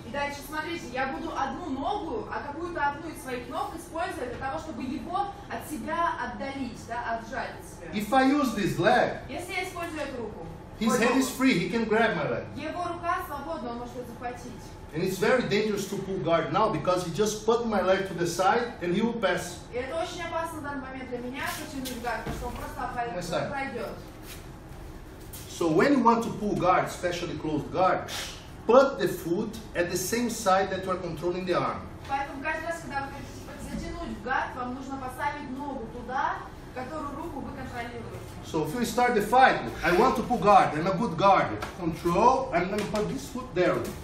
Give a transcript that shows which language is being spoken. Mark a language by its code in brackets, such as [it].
[ru] И дальше смотрите, я буду одну ногу, а какую-то одну из своих ног использовать для того, чтобы его от себя отдалить, да, отжать от себя. [en] If I use this leg, [ru] если я использую эту руку, [en] his hand is free, he can grab my leg. [ru] Его рука свободна, он может ее захватить. [en] And it's very dangerous to pull guard now because he just put my leg to the side and he will pass. [ru] И это очень опасно в данный момент для меня, потянуть гард, потому что он просто пройдет. [en] So when you want to pull guard, especially closed guard, put the foot at the same side that you are controlling the arm. [ru] Поэтому каждый раз, когда вы хотите затянуть гард, вам нужно поставить ногу туда, которую руку вы контролируете. [en] So if you start the fight, I want to pull guard, I'm a good guard. Control, I'm going to put this foot there.